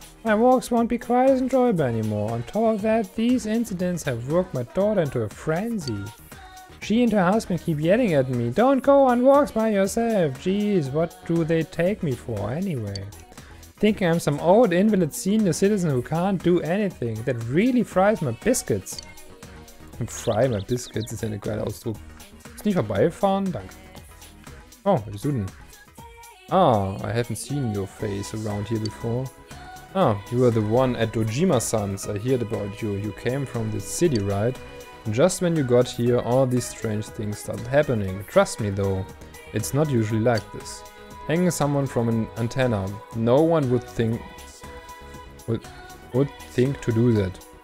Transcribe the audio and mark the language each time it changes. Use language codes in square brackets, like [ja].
[en] My walks won't be quite as enjoyable anymore. On top of that, these incidents have worked my daughter into a frenzy. She and her husband keep yelling at me, don't go on walks by yourself. Jeez, what do they take me for anyway? Thinking I'm some old invalid senior citizen who can't do anything, that really fries my biscuits. Fry my biscuits [de] ist ja ein geiler Ausdruck. Ist nicht vorbeifahren? Danke. Oh, wieso denn? [en] Ah, I haven't seen your face around here before. Ah, you are the one at Dojima-sans. I heard about you. You came from the city, right? And just when you got here, all these strange things started happening. Trust me, though, it's not usually like this. Hanging someone from an antenna, no one would think to do that.